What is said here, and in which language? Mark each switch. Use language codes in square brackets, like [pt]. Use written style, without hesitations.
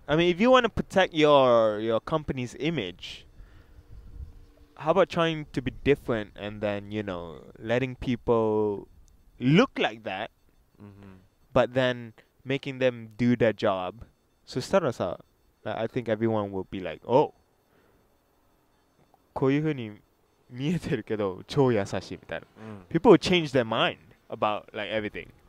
[en] I mean, if you want to protect your company's image, how about trying to be different and then, you know, letting people look like that, mm-hmm. but then making them do their job. So, starasa, I think everyone will be like, oh, [ja] こういうふうに見えてるけど超優しいみたいな. Mm. [en] People will change their mind about like everything.